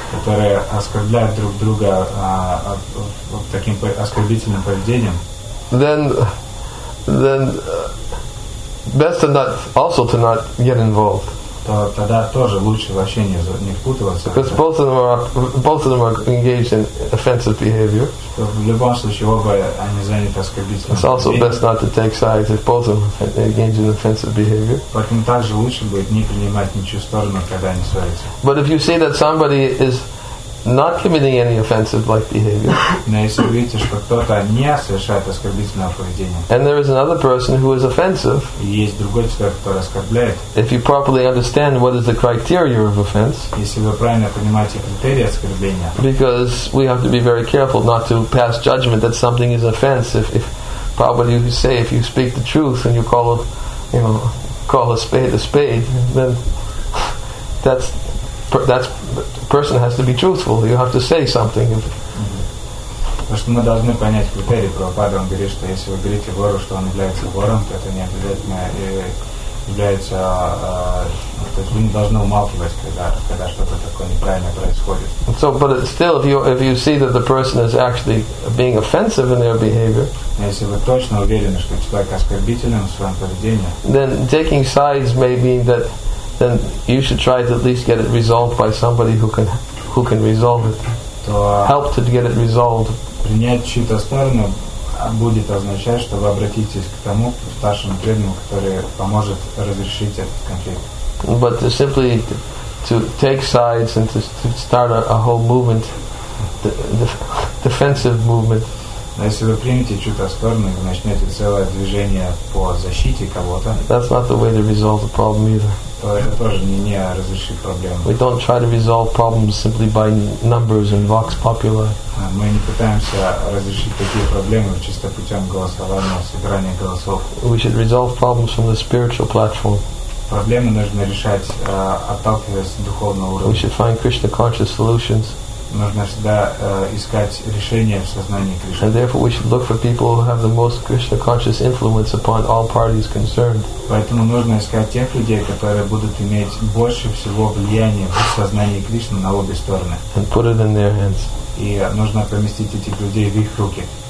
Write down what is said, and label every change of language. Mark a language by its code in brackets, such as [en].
[ru] которые оскорбляют друг друга таким оскорбительным поведением, [en] then best to not also to not get involved. Because both of them are engaged in offensive behavior. It's also best not to take sides if both of them are engaged in offensive behavior. But if you see that somebody is not committing any offensive like behavior, and there is another person who is offensive, if you properly understand what is the criteria of offense, because we have to be very careful not to pass judgment that something is offense. If probably you say, if you speak the truth and you call call a spade, then that's person has to be truthful. You have to say something. [ru] Что мы должны понять критерии Прабхупады. Он говорит, что если вы говорите вору, что он является вором, то это не обязательно является. То есть вы не должны умалчивать, когда что-то такое неправильное происходит. [en] So, but still, if you see that the person is actually being offensive in their behavior, [ru] если вы точно уверены, что человек оскорбителен в своем поведении, [en] then taking sides may mean that. Then you should try to at least get it resolved by somebody who can resolve it. Help to get it resolved. [ru] Принять чью-то сторону будет означать, что вы обратитесь к тому старшему преданному, который поможет разрешить этот конфликт. [en] But to simply to take sides and to start a whole movement, the defensive movement. [ru] Но если вы примете чью-то сторону и начнете целое движение по защите кого-то, [en] that's not the way to resolve the problem either. [ru] То это тоже не разрешит проблему. [en] We don't try to resolve problems simply by numbers and vox populi. [ru] Мы не пытаемся разрешить такие проблемы чисто путем голосования, собирания голосов. [en] We should resolve problems from the spiritual platform. [ru] Проблемы нужно решать, отталкиваясь от духовного уровня. [en] We should find Krishna conscious solutions. [ru] Нужно всегда искать решения в сознании Кришны. [en] And therefore we should look for people who have the most Krishna conscious influence upon all parties concerned. [ru] Поэтому нужно искать тех людей, которые будут иметь больше всего влияния в сознании Кришны на обе стороны. [en] And put it in their hands. [ru] И нужно поместить этих людей в их руки.